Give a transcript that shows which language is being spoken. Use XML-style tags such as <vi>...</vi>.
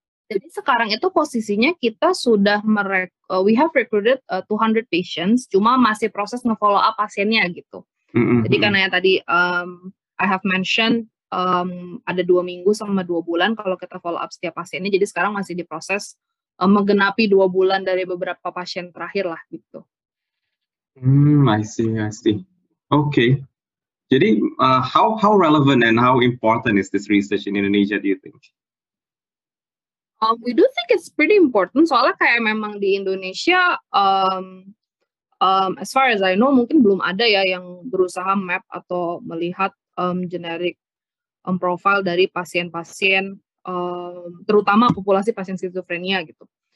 <id>Jadi sekarang itu posisinya kita sudah</id> <en>recruited 200 patients,</en> <id>cuma masih proses nge-follow up pasiennya gitu. Mm-hmm. Jadi karena yang tadi</id> <en>I have mentioned</en> <id>ada 2 minggu sama 2 bulan kalau kita follow up setiap pasiennya. Jadi sekarang masih diproses menggenapi 2 bulan dari beberapa pasien terakhir lah gitu.</id> <en>I see. Okay. Jadi how relevant and how important is this research in Indonesia, do you think? We do think it's pretty important.</en> <id>Soalnya kayak memang di Indonesia,</id> <en>as far as I know,</en> <id>mungkin belum ada ya yang berusaha map atau melihat generic profile dari pasien-pasien, terutama populasi pasien skizofrenia gitu.</id>